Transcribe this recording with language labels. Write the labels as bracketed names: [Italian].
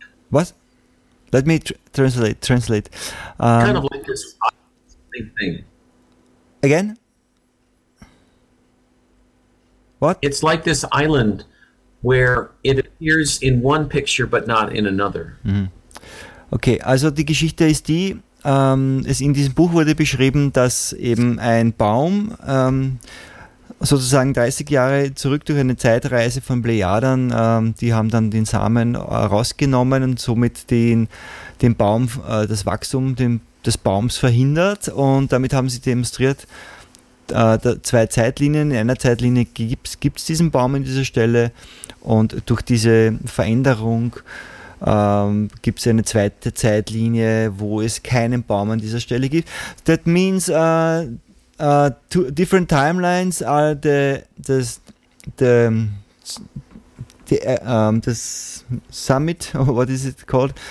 [English] Was? Let me translate. Kind of like this same thing. Again? What? It's like this island where it appears in one picture but not in another. Mm-hmm. [German] Okay, also die Geschichte ist die, in diesem Buch wurde beschrieben, dass eben ein Baum sozusagen 30 Jahre zurück durch eine Zeitreise von Plejadern, die haben dann den Samen rausgenommen und somit den Baum, das Wachstum des Baums verhindert. Und damit haben sie demonstriert, zwei Zeitlinien. In einer Zeitlinie gibt es diesen Baum an dieser Stelle und durch diese Veränderung gibt es eine zweite Zeitlinie, wo es keinen Baum an dieser Stelle gibt. [English] That means two different timelines are the summit, or what is it called?